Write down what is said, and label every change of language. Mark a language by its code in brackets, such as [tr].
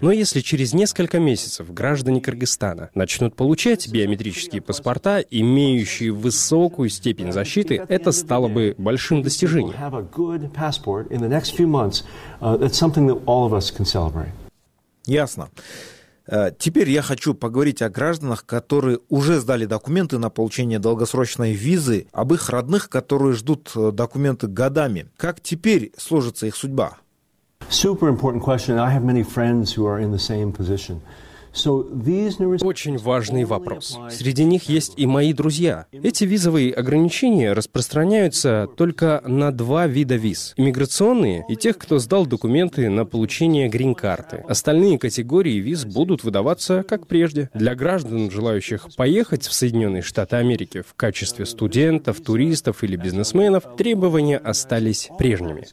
[ru] Но если через несколько месяцев граждане Кыргызстана начнут получать биометрические паспорта, имеющие высокую степень защиты, это стало бы большим достижением. Ясно. Теперь я хочу поговорить о гражданах, которые уже сдали документы на получение долгосрочной визы, об их родных, которые ждут документы годами. Как теперь сложится их судьба? [en] Super important question. I have many friends who are in the same position. [ru] Очень важный вопрос. Среди них есть и мои друзья. Эти визовые ограничения распространяются только на два вида виз. Иммиграционные и тех, кто сдал документы на получение грин-карты. Остальные категории виз будут выдаваться, как прежде. Для граждан, желающих поехать в Соединенные Штаты Америки в качестве студентов, туристов или бизнесменов, требования остались прежними.